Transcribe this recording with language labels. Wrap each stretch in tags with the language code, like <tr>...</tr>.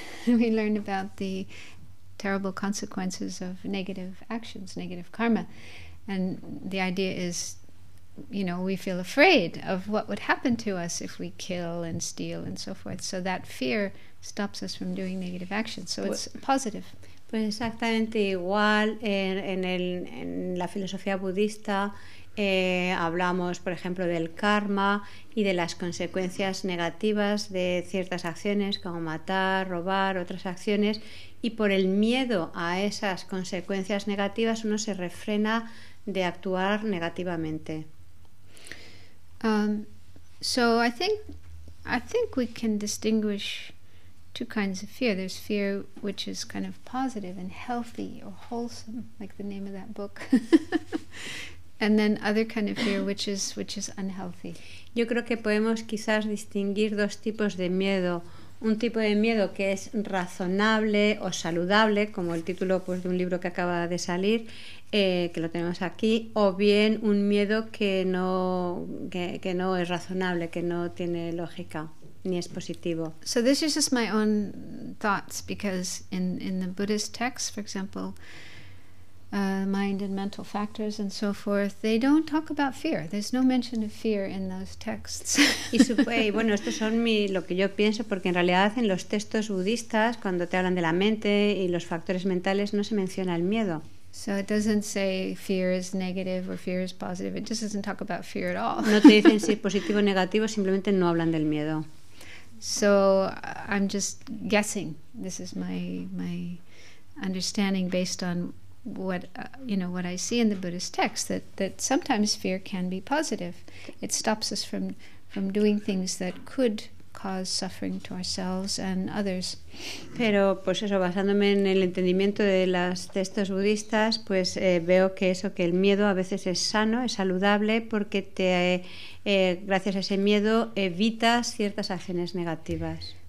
<en>We learn about the terrible consequences of negative actions, negative karma. And the idea is, you know, we feel afraid of what would happen to us if we kill and steal and so forth. So that fear stops us from doing negative actions. So it's positive.</en> <es>Pues exactamente igual en la filosofía budista hablamos, por ejemplo, del karma y de las consecuencias negativas de ciertas acciones como matar, robar, otras acciones. Y por el miedo a esas consecuencias negativas uno se refrena de actuar negativamente.</es> <en>So I think we can distinguish two kinds of fear. There's fear which is kind of positive and healthy or wholesome, like the name of that book. And then other kind of fear which is unhealthy.</en> <es>Yo creo que podemos quizás distinguir dos tipos de miedo. Un tipo de miedo que es razonable o saludable, como el título pues de un libro que acaba de salir, que lo tenemos aquí, o bien un miedo que no es razonable, que no tiene lógica ni es positivo.</es> <en>So this is just my own thoughts, because in the Buddhist texts, for example, mind and mental factors and so forth, they don't talk about fear. There's no mention of fear in those texts.</en> <es>Y bueno, estos son lo que yo pienso, porque en realidad en los textos budistas, cuando te hablan de la mente y los factores mentales, no se menciona el miedo.</es> <en>So it doesn't say fear is negative or fear is positive. It just doesn't talk about fear at all.</en> <es>No te dicen si es positivo o negativo, simplemente no hablan del miedo.</es> <en>So I'm just guessing. This is my understanding based on what I see in the Buddhist text, that sometimes fear can be positive. It stops us from doing things that could cause suffering to ourselves and others.</en> <es>Pero pues eso, basándome en el entendimiento de los textos budistas, pues veo que eso, que el miedo a veces es sano, es saludable, porque te gracias a ese miedo evitas ciertas acciones negativas.</es>